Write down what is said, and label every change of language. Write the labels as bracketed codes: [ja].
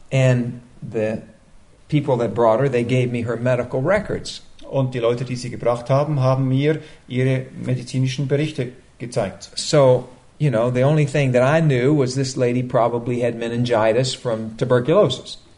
[en] And the people that brought her, they gave me her medical records. [de] Und die Leute, die sie gebracht haben, haben mir ihre medizinischen Berichte gezeigt. [en] So, you know, the only thing that I knew was this lady probably had meningitis from tuberculosis.